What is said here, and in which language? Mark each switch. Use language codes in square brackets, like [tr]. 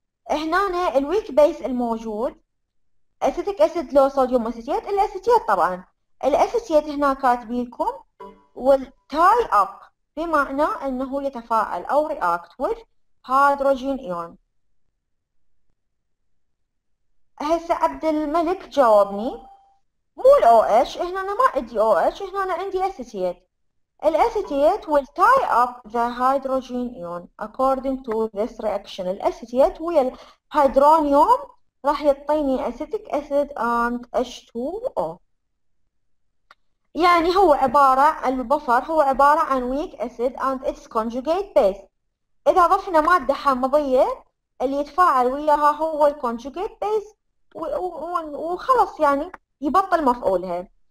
[ar] هنا الويك بيس الموجود اسيتيك اسيد لو صوديوم اسيتيت، الاسيتيت طبعا الاسيتيت هنا كاتبيلكم، والتاي اب بمعنى انه يتفاعل او رياكت وذ هيدروجين ايون. هسه عبد الملك جاوبني، مو الاو اتش، هنا ما عندي او اتش، هنا عندي اسيتيت. [en] الاسيتيت will tie up the hydrogen ion according to this reaction. [ar] الاسيتيت ويا الهيدرونيوم راح يعطيني [en] acetic acid and H2O. [ar] يعني هو عبارة البفر هو عبارة عن [en] weak acid and its conjugate base. [ar] إذا ضفنا مادة حمضية اللي يتفاعل وياها هو ال conjugate base وخلص، يعني يبطل مفعولها.